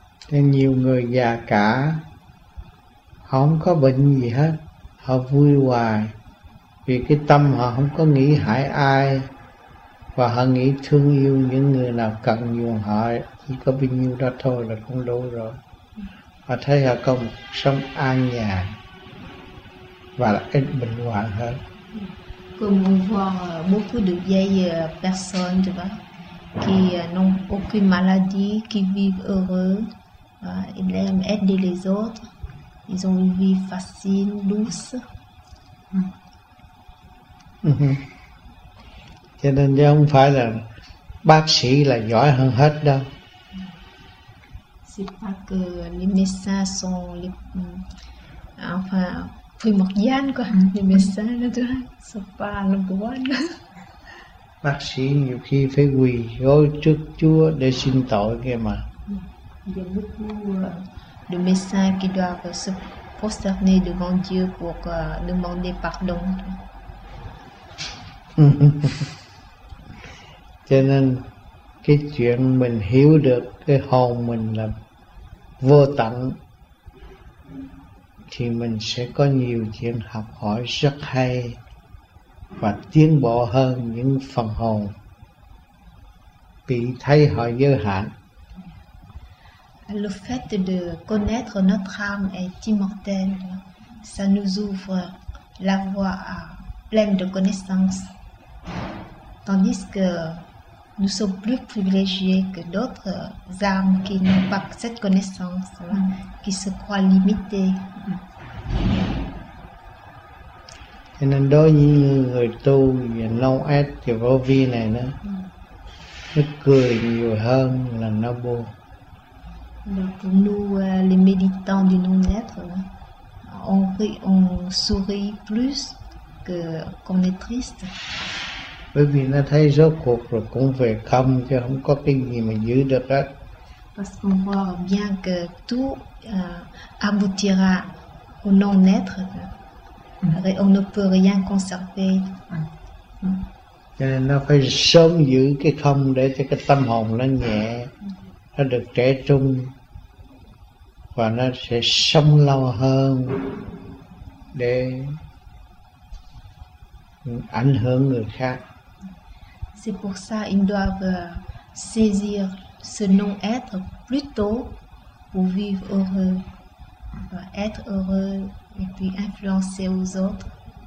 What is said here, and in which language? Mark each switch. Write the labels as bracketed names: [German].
[Vietnamese] Nên nhiều người già cả không có bệnh gì hết, họ vui hoài vì cái tâm họ không có nghĩ hại ai và họ nghĩ thương yêu những người nào cần nhường họ, chỉ có bao nhiêu đó thôi là cũng đủ rồi. Họ thấy họ có một sống an nhàn và là ít bệnh hoạn hơn. [French] Comme on voit beaucoup de vieilles personnes, tu vois, qui n'ont aucune maladie, qui vivent heureux, ils aiment aider les autres, ils ont une vie facile, douce. [Vietnamese] Cho nên chứ không phải là bác sĩ là giỏi hơn hết đâu. [French] C'est pas que les médecins sont les, enfin, primordial quoi, les médecins là tu vois, sont pas [English] number one. [Vietnamese] Bác sĩ nhiều khi phải quỳ gối trước Chúa để xin tội kia mà. [French] Il y a beaucoup de médecins qui doivent se prosterner devant Dieu pour demander pardon. [Vietnamese] Cho nên cái chuyện mình hiểu được cái hồn mình là vô tận thì mình sẽ có nhiều chuyện học hỏi rất hay và tiến bộ hơn những phần hồn bị thấy họ giới hạn. [French] Le fait de connaître notre âme est immortel, ça nous ouvre la voie à pleine de connaissances, tandis que nous sommes plus privilégiés que d'autres âmes qui n'ont pas cette connaissance, qui se croient limitées. [Vietnamese] Cho nên đối với người tu và lâu ép thì vô vi này nó cười nhiều hơn là nó buồn. [French] Donc pour nous les méditants du non-être, on rit, on sourit plus que qu'on est triste. [Vietnamese] Bởi vì nó thấy rốt cuộc rồi cũng về không, chứ không có cái gì mà giữ được hết. [French] Parce qu'on voit bien que tout aboutira au non-être, on ne peut rien conserver. [Vietnamese] Cho nên nó phải sớm giữ cái không để cho cái tâm hồn nó nhẹ, nó được trẻ trung và nó sẽ sống lâu hơn để ảnh hưởng người khác. [French] C'est pour ça qu'ils doivent saisir ce non-être plus tôt pour vivre heureux, être heureux et puis influencer aux autres.